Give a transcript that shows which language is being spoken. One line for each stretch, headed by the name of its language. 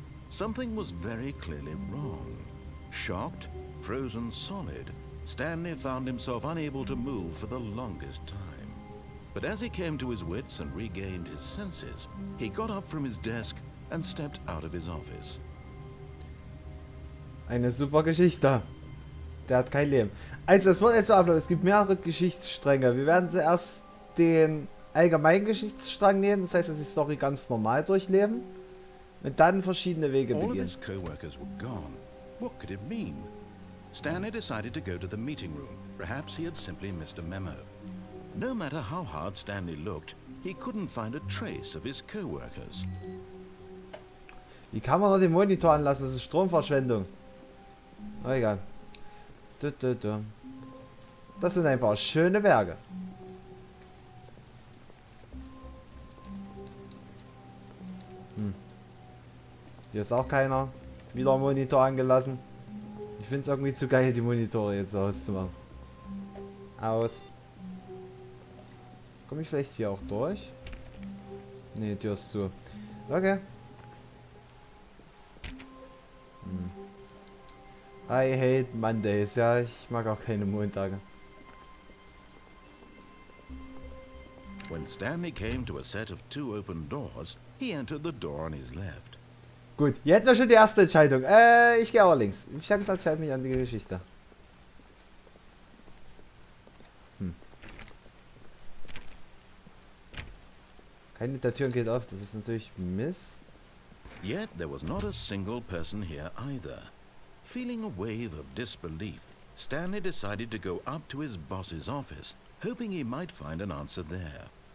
English: Something was very clearly wrong. Shocked, frozen solid, Stanley found himself unable to move for the longest time. But as he came to his wits and regained his senses, he got up from his desk and stepped out of his office.
German: Eine super Geschichte. Der hat kein Leben. Also, es wird jetzt so ablaufen. Es gibt mehrere Geschichtsstränge. Wir werden zuerst den allgemeinen Geschichtsstrang nehmen, das heißt, dass die Story ganz normal durchleben. Und dann verschiedene Wege beginnen.
English: All of his co-workers were gone. What could it mean? Stanley decided to go to the meeting room. Perhaps he had simply missed a memo. No matter how hard Stanley looked, he couldn't find a trace of his co-workers.
German: Wie kann man den Monitor anlassen? Das ist Stromverschwendung. Oh, egal. Das sind ein paar schöne Berge. Hier ist auch keiner. Wieder Monitor angelassen. Ich finde es irgendwie zu geil, die Monitore jetzt auszumachen. Aus. Komme ich vielleicht hier auch durch? Ne, Tür ist zu. Okay.
English: I hate Mondays.
German: Ja, ich mag auch keine Montage.
English: When Stanley came to a set of two open doors, he entered the door on his left.
German: Gut, jetzt war schon die erste Entscheidung. Ich gehe aber links. Ich habe gesagt, ich halte mich an die Geschichte. Keine der Türen geht auf, das ist natürlich Mist.
English: Yet there was not a single person here either. Feeling a wave of disbelief, Stanley decided to go up to his boss's office, hoping he might find an answer there.